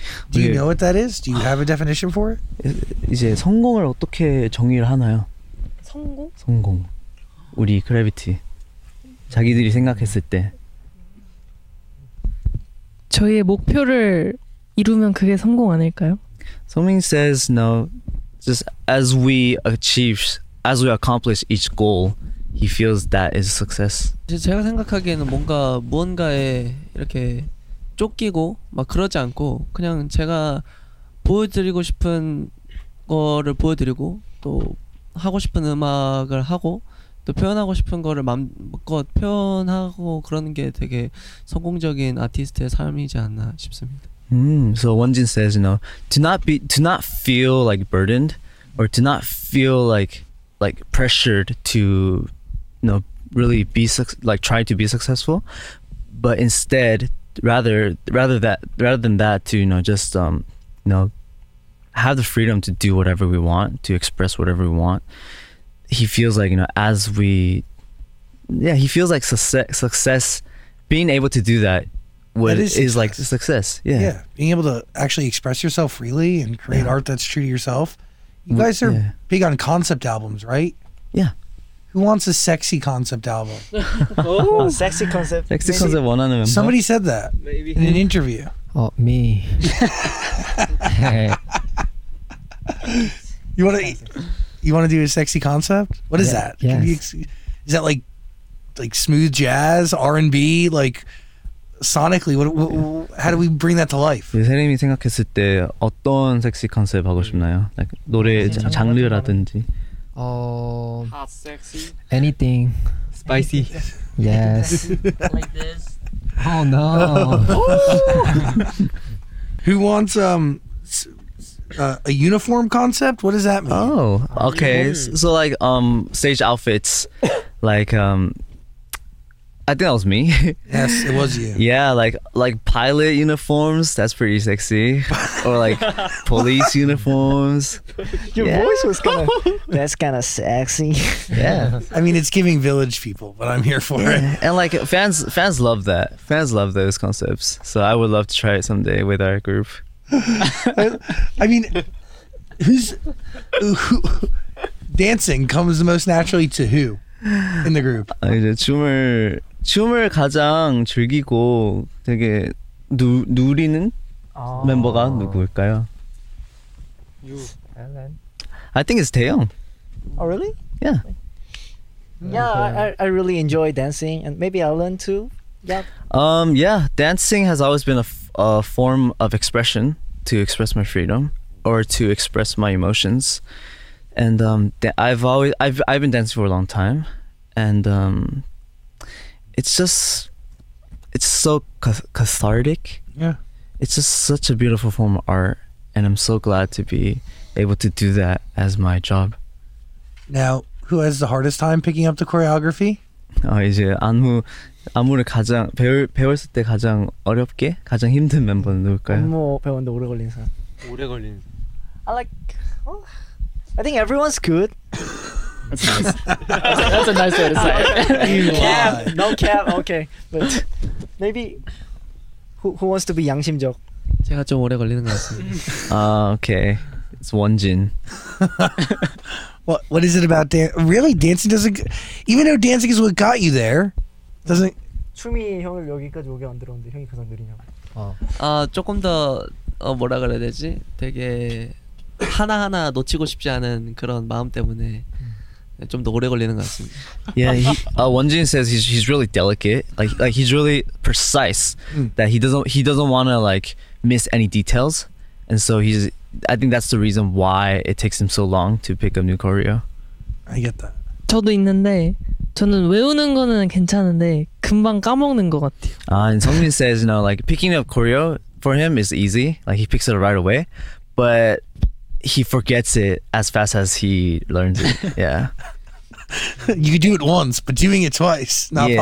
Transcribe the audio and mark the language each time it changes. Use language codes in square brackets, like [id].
[en] Do you know what that is? Do you have a definition for it? [ko] 이제 성공을 어떻게 정의를 하나요? 성공? 성공. 우리 그래비티. 자기들이 생각했을 때. 저희의 목표를 이루면 그게 성공 아닐까요? [en] Songmin says no. Just as we achieve, as we accomplish each goal, he feels that is success. [ko] 제가 생각하기에는 뭔가 무언가에 이렇게 쫓기고 막 그러지 않고 그냥 제가 보여드리고 싶은 거를 보여드리고 또 하고 싶은 음악을 하고 또 표현하고 싶은 거를 마음껏 표현하고 그러는 게 되게 성공적인 아티스트의 삶이지 않나 싶습니다. [en] So Wonjin says, you know, do not feel like burdened or do not feel like pressured to, you know, really be like try to be successful, but instead rather than that to, you know, just you know, have the freedom to do whatever we want, to express whatever we want. He feels like, you know, as we, yeah, he feels like success, being able to do that, that is like success. Yeah. Yeah. Being able to actually express yourself freely and create art that's true to yourself. You guys are big on concept albums, right? Yeah. Who wants a sexy concept album? Oh, sexy concept. Sexy maybe. Concept [ko] 원하는 멤버. [en] Somebody said that maybe in an interview. Oh, me. You want to eat? You want to do a sexy concept? What is that? Yes. Is that like smooth jazz, R&B, like sonically? How do we bring that to life? [ko] 세림이 생각했을 때 어떤 섹시 컨셉 하고 싶나요? 노래 장르라든지. [en] Hot, sexy. Anything. Spicy. Yes. Like this. Oh no. Who wants a uniform concept? What does that mean? Oh, okay. So like stage outfits, like I think that was me. Yes, it was you. Yeah, like pilot uniforms. That's pretty sexy. Or like police uniforms. Your voice was kind of. That's kind of sexy. Yeah. I mean, it's giving village people, but I'm here for it. And like fans love that. Fans love those concepts. So I would love to try it someday with our group. I mean, who dancing comes the most naturally to who in the group? [ko] 이제 춤을 가장 즐기고 되게 누리는 멤버가 누구일까요? [en] You, Ellen. I think it's Taeyong. Oh, really? Yeah. Yeah, okay. I really enjoy dancing, and maybe I'll learn too. Yeah. Yeah, dancing has always been a form of expression to express my freedom or to express my emotions. And I've been dancing for a long time, and it's so cathartic. Yeah. It's just such a beautiful form of art, and I'm so glad to be able to do that as my job. Now, who has the hardest time picking up the choreography? [ko] 이제 안무 안무를 가장 배웠을 때 가장 어렵게 가장 힘든 멤버는 누굴까요? 안무 배우는데 오래 걸린 사람. 오래 걸린. [en] I think everyone's good. That's nice. That's a nice way to say it. Cap, no cap. Okay, but maybe who wants to be [ko] 양심적? 제가 좀 오래 걸리는 것 같습니다. [en] Okay, it's Wonjin. What is it about dance? Really, dancing doesn't. Even though dancing is what got you there, doesn't. [ko] 춤이 형을 여기까지 오게 만들었는데 형이 가장 느리냐? 아 조금 더 뭐라 그래야 되지? 되게 하나하나 놓치고 싶지 않은 그런 마음 때문에 좀 더 오래 걸리는 것 같습니다. [en] Yeah, Wonjin says he's really delicate. Like he's really precise. That he doesn't want to like miss any details, and so he's. I think that's the reason why it takes him so long to pick up new choreo. I get that. [ko] 저도 있는데 저는 외우는 거는 괜찮은데 금방 까먹는 것 같아요. [en] And Songmin says, you know, like picking up choreo for him is easy. Like he picks it right away, but he forgets it as fast as he learns it. Yeah. You could do it once, but doing it twice, not yeah.